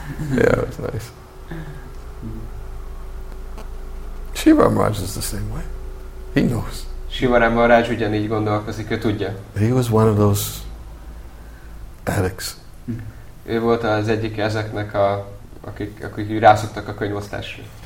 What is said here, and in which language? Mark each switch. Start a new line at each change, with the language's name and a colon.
English: Yeah, it's nice. Shiva Maharaj is the same way. He knows.
Hungarian: Sivaram Maharaj ugyanígy gondolkozik, ő tudja. He was one of those addicts. Ő volt az egyik ezeknek, akik rászoktak a könyvosztásra.